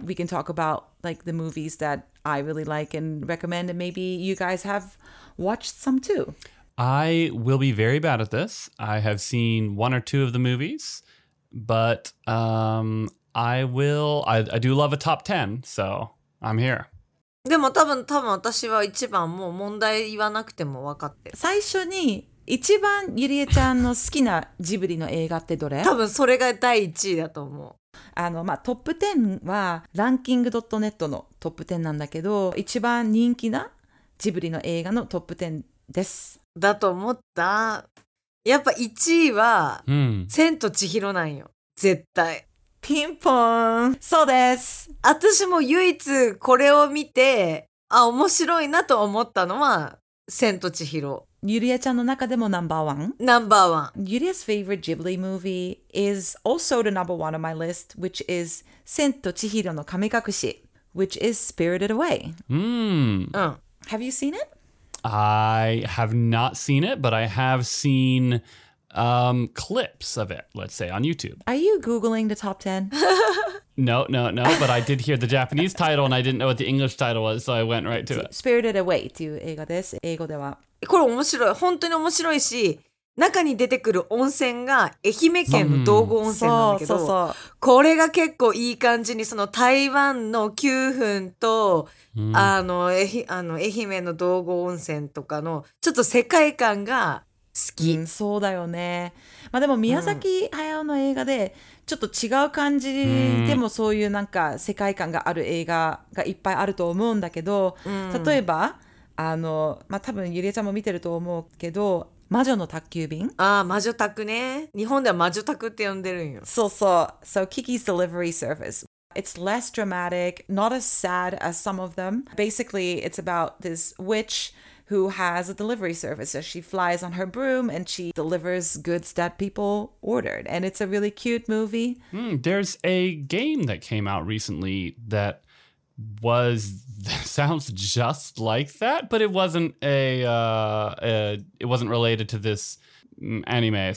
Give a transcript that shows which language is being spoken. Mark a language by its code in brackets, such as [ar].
[en] We can talk about like the movies that I really like and recommend, and maybe you guys have watched some too. I will be very bad at this. I have seen one or two of the movies, but I do love a top 10, so I'm here. [ja] でも多分私は一番もう問題言わなくても分かって。最初に一番ゆりえちゃんの好きなジブリの映画ってどれ？多分それが第1位だと思う。あのまあトップ10はランキング .net のトップ10なんだけど、一番人気なジブリの映画のトップ10です。だと思った。やっぱ1位は千と千尋なんよ。絶対。ピンポーン。そうです。私も唯一これを見て、あ、面白いなと思ったのは、千と千尋。ゆりえちゃんの中でもナンバーワン？ナンバーワン。 [en] ゆりえ 's favorite Ghibli movie is also the number one on my list, which is 千と千尋の神隠し、which is Spirited Away. Have you seen it? I have not seen it, but I have seen... clips of it, let's say, on YouTube. Are you Googling the top 10? No, but I did hear the Japanese title and I didn't know what the English title was, so I went right to it. [ja] Spirited Away っていう映画です。英語では。これ面白い。本当に面白いし、中に出てくる温泉が愛媛県の道後温泉なんだけど、そう。これが結構いい感じに、その台湾の九份と、愛媛の道後温泉とかの、ちょっと世界観が、好き、うん、そうだよね。まあでも宮崎駿の映画でちょっと違う感じでもそういうなんか世界観がある映画がいっぱいあると思うんだけど、例えばあのまあ多分ゆりえちゃんも見てると思うけど、魔女の宅急便。ああ魔女宅ね。日本では魔女宅って呼んでるんよ。そうそう。 [en] So Kiki's Delivery Service. It's less dramatic, not as sad as some of them. Basically, it's about this witch. Who has a delivery service. So she flies on her broom and she delivers goods that people ordered. And it's a really cute movie. There's a game that came out recently that was, sounds just like that, but it wasn't a, it wasn't related to this anime.